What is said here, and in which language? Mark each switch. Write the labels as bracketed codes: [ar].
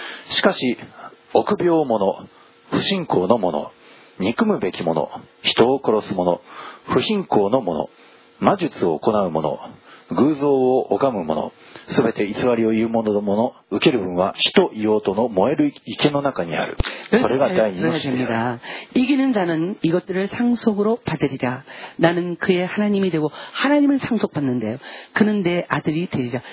[ja] しかし臆病者、不信仰の者、憎むべき者、人を殺す者、不信仰の者、魔術を行う者、偶像を拝む者、すべて偽りを言う者の者、受ける分は火と硫黄との燃える池の中にある。それが第二の詩である。 [ko] 이기는자는이것들을상속으로받으리라。 나는그의하나님이되고하나님을상속받는데요그는내아들이되리라。